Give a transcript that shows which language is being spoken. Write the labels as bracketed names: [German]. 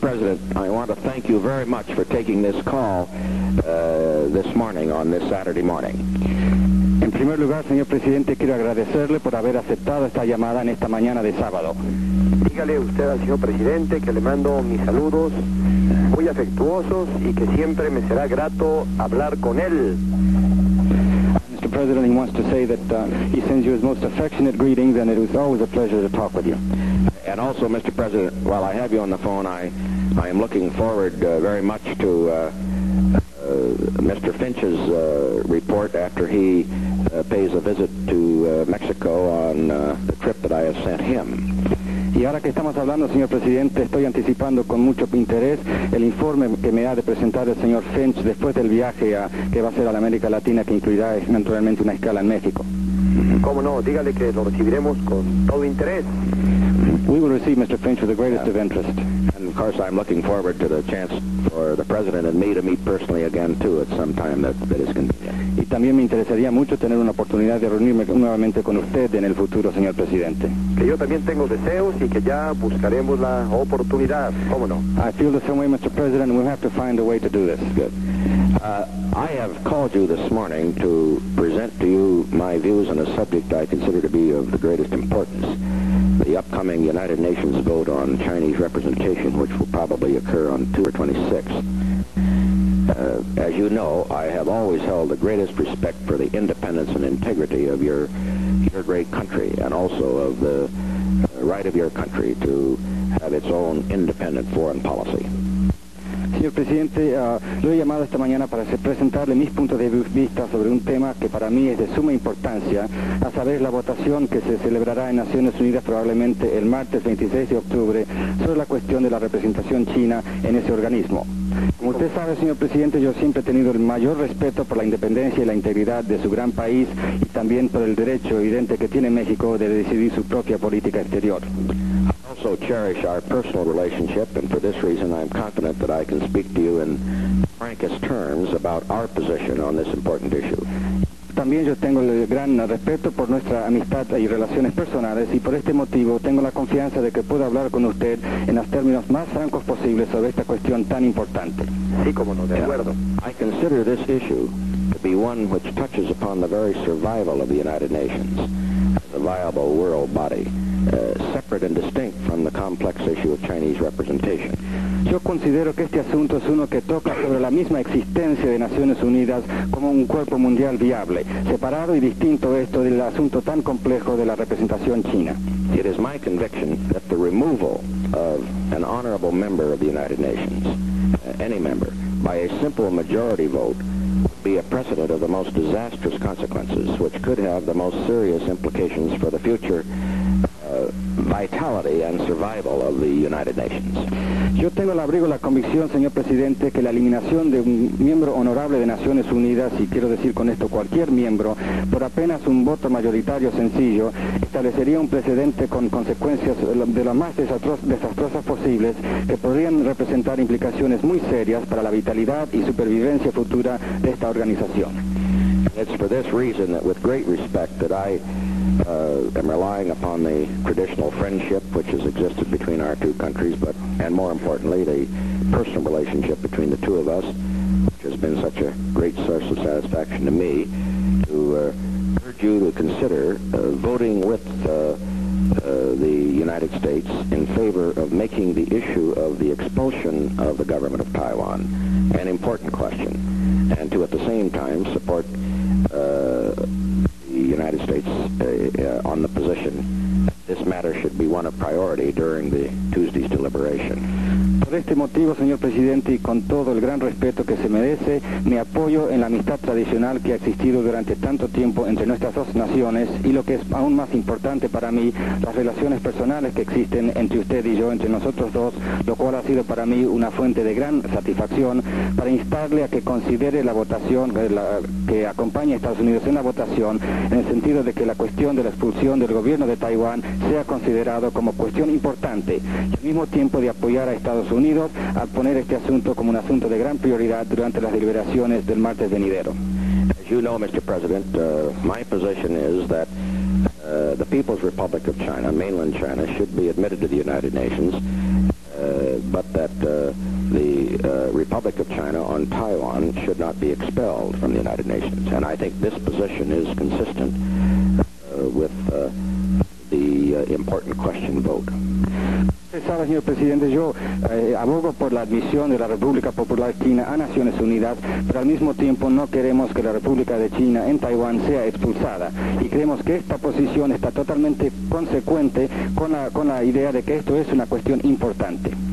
[English] President, I want to thank you very much for taking this call this morning, on this Saturday morning. [Spanish] En primer lugar, señor presidente, quiero agradecerle por haber aceptado esta llamada en esta mañana de sábado. Dígale usted al señor presidente que le mando mis saludos muy afectuosos y que siempre me será grato hablar con él. [English] Mr. President, he wants to say that he sends you his most affectionate greetings and it is always a pleasure to talk with you. And also, Mr. President, while I have you on the phone, I am looking forward very much to Mr. Finch's report after he pays a visit to Mexico on the trip that I have sent him. [Spanish] Y ahora que estamos hablando, señor presidente, estoy anticipando con mucho interés el informe que me ha de presentar el señor Finch después del viaje que va a hacer a la América Latina, que incluirá naturalmente una escala en México. ¿Cómo no? Dígale que lo recibiremos con todo interés. [English] We will receive Mr. Finch with the greatest of interest. And of course I'm looking forward to the chance for the President and me to meet personally again too at some time that is convenient. [Spanish] Y también me interesaría mucho tener una oportunidad de reunirme nuevamente con usted en el futuro, señor presidente. Que yo también tengo deseos y que ya buscaremos la oportunidad, ¿cómo no? [English] I feel the same way, Mr. President, and we'll have to find a way to do this. Good. I have called you this morning to present to you my views on a subject I consider to be of the greatest importance. The upcoming United Nations vote on Chinese representation, which will probably occur on 2 or 26. As you know, I have always held the greatest respect for the independence and integrity of your great country, and also of the right of your country to have its own independent foreign policy. [Spanish] Señor Presidente, lo he llamado esta mañana para presentarle mis puntos de vista sobre un tema que para mí es de suma importancia, a saber la votación que se celebrará en Naciones Unidas probablemente el martes 26 de octubre sobre la cuestión de la representación china en ese organismo. Como usted sabe, señor Presidente, yo siempre he tenido el mayor respeto por la independencia y la integridad de su gran país y también por el derecho evidente que tiene México de decidir su propia política exterior. [English] I also cherish our personal relationship, and for this reason I'm confident that I can speak to you in frankest terms about our position on this important issue. [Spanish] También yo tengo el gran respeto por nuestra amistad y relaciones personales, y por este motivo tengo la confianza de que pueda hablar con usted en los términos más francos posibles sobre esta cuestión tan importante. Sí, como no, de acuerdo. [English] I consider this issue to be one which touches upon the very survival of the United Nations as a viable world body. Separate and distinct from the complex issue of Chinese representation. [Spanish] Yo considero que este asunto es uno que toca sobre la misma existencia de Naciones Unidas como un cuerpo mundial viable, separado y distinto esto del asunto tan complejo de la representación china. [English] It is my conviction that the removal of an honorable member of the United Nations, any member, by a simple majority vote, would be a precedent of the most disastrous consequences, which could have the most serious implications for the future vitality and survival of the United Nations. [Spanish] Yo tengo el abrigo la convicción, señor presidente, que la eliminación de un miembro honorable de Naciones Unidas, y quiero decir con esto cualquier miembro, por apenas un voto mayoritario sencillo, establecería un precedente con consecuencias de las más desastrosas posibles que podrían representar implicaciones muy serias para la vitalidad y supervivencia futura de esta organización. [English] It's for this reason that with great respect that I am relying upon the traditional friendship which has existed between our two countries, but and more importantly the personal relationship between the two of us, which has been such a great source of satisfaction to me, to urge you to consider voting with the United States in favor of making the issue of the expulsion of the government of Taiwan an important question, and to at the same time support the United States on the position this matter. matter should be one of priority during the Tuesday's deliberation. [Spanish] Por este motivo, señor presidente, y con todo el gran respeto que se merece, me apoyo en la amistad tradicional que ha existido durante tanto tiempo entre nuestras dos naciones, y lo que es aún más importante para mí, las relaciones personales que existen entre usted y yo, entre nosotros dos, lo cual ha sido para mí una fuente de gran satisfacción, para instarle a que considere la votación, que acompañe a Estados Unidos en la votación, en el sentido de que la cuestión de la expulsión del gobierno de Taiwán sea considerado como cuestión importante, y al mismo tiempo de apoyar a Estados Unidos al poner este asunto como un asunto de gran prioridad durante las deliberaciones del martes venidero. [English] As you know, Mr. President, my position is that the People's Republic of China, mainland China, should be admitted to the United Nations, but that Republic of China on Taiwan should not be expelled from the United Nations. And I think this position is consistent with the important question vote. [Spanish] Sabe, señor presidente, yo abogo por la admisión de la República Popular China a Naciones Unidas, pero al mismo tiempo no queremos que la República de China en Taiwán sea expulsada. Y creemos que esta posición está totalmente consecuente con la idea de que esto es una cuestión importante.